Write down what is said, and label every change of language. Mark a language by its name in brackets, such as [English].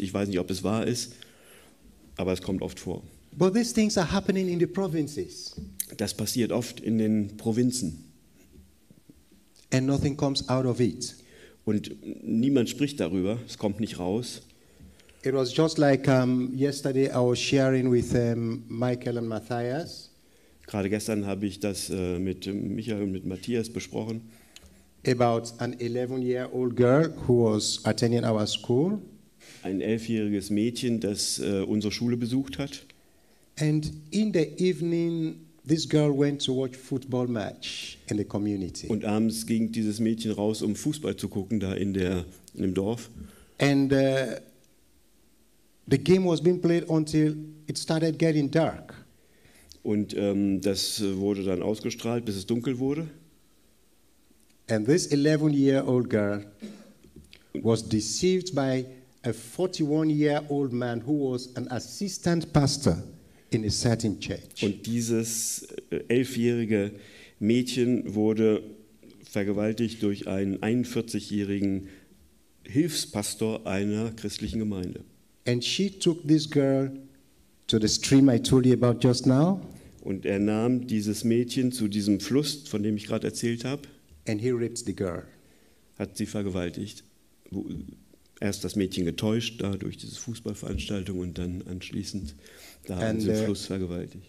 [German] Ich weiß nicht, ob es wahr ist, aber es kommt oft vor. [English] But these things are happening in the provinces. [German] Das passiert oft in den Provinzen. [English] And nothing comes out of it. [German] Und niemand spricht darüber. Es kommt nicht raus. [English] It was just like yesterday I was sharing with Michael and Matthias. [German] Gerade gestern habe ich das mit Michael und mit Matthias besprochen. [English] About an 11-year-old girl who was attending our school. [German] Ein 11-jähriges Mädchen, das unsere Schule besucht hat. [English] And in the evening this girl went to watch football match in the community. [German] Und abends ging dieses Mädchen raus, um Fußball zu gucken da in dem Dorf. [English] And the game was being played until it started getting dark. [German] Und das wurde dann ausgestrahlt, bis es dunkel wurde. [English] And this 11-year-old girl was deceived by a 41-year-old man who was an assistant pastor in a certain church. [German] Und dieses 11-jährige Mädchen wurde vergewaltigt durch einen 41-jährigen Hilfspastor einer christlichen Gemeinde. [English] And she took this girl to the stream I told you about just now. [German] Und er nahm dieses Mädchen zu diesem Fluss, von dem ich gerade erzählt habe. [English] And he raped the girl. [German] Hat sie vergewaltigt. Erst das Mädchen getäuscht, da durch diese Fußballveranstaltung, und dann anschließend da an diesem Fluss vergewaltigt.